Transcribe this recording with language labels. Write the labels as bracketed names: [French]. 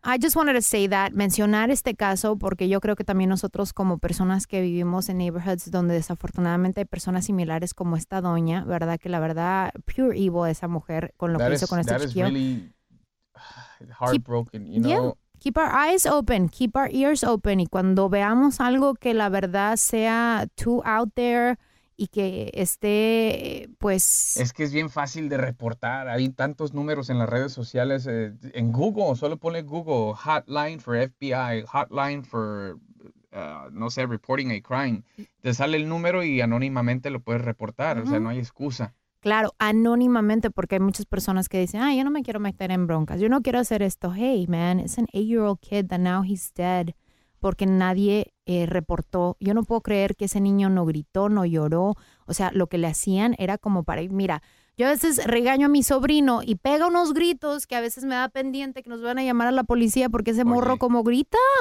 [English] I just wanted to say that, [Spanish] mencionar este caso, porque yo creo que también nosotros como personas que vivimos en neighborhoods donde desafortunadamente hay personas similares como esta doña, ¿verdad? Que la verdad, [English] pure evil [Spanish] esa mujer con lo [English] that [Spanish] que [English] is, [Spanish] hizo con este [English] that [Spanish] chiquillo. [English] Is really heartbroken, you know? Keep our eyes open, keep our ears open. [Spanish] Y cuando veamos algo que la verdad sea [English] too out there [Spanish] y que esté, pues... Es que es bien fácil de reportar. Hay tantos números en las redes sociales. En Google, solo pone Google, [English] hotline for FBI, hotline for, [Spanish] no sé, [English] reporting a crime. [Spanish] Te sale el número y anónimamente lo puedes reportar. Uh-huh. O sea, no hay excusa. Claro, anónimamente, porque hay muchas personas que dicen, yo no me quiero meter en broncas, yo no quiero hacer esto. [English] Hey, man, it's an 8-year-old kid that now he's dead, [Spanish] porque nadie reportó. Yo no puedo creer que ese niño no gritó, no lloró. O sea, lo que le hacían era como para ir, mira, yo a veces regaño a mi sobrino y pega unos gritos que a veces me da pendiente que nos van a llamar a la policía porque ese morro como grita.